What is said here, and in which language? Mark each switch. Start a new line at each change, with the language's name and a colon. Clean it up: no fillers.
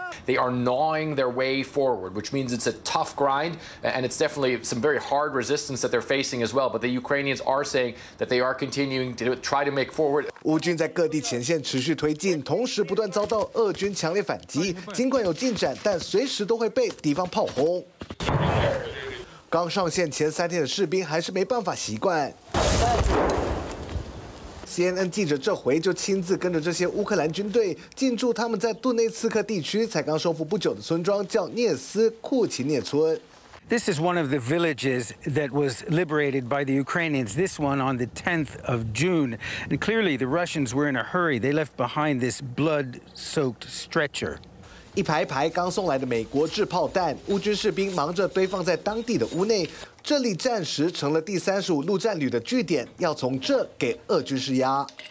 English: They are gnawing their way forward, which means it's a tough grind, and it's definitely some very hard resistance that they're facing as well. But the Ukrainians are saying that they are continuing to try to make forward.
Chinese: 乌军在各地前线持续推进，同时不断遭到俄军强烈反击。尽管有进展，但随时都会被敌方炮轰。刚上线前三天的士兵还是没办法习惯。 CNN 记者这回就亲自跟着这些乌克兰军队进驻他们在顿内茨克地区才刚收复不久的村庄，叫涅斯库奇涅村。
English: This is one of the villages that was liberated by the Ukrainians. This one on the 10th of June. And clearly, the Russians were in a hurry. They left behind this blood-soaked stretcher.
Chinese: 一排一排刚送来的美国制炮弹，乌军士兵忙着堆放在当地的屋内。这里暂时成了第35陆战旅的据点，要从这给俄军施压。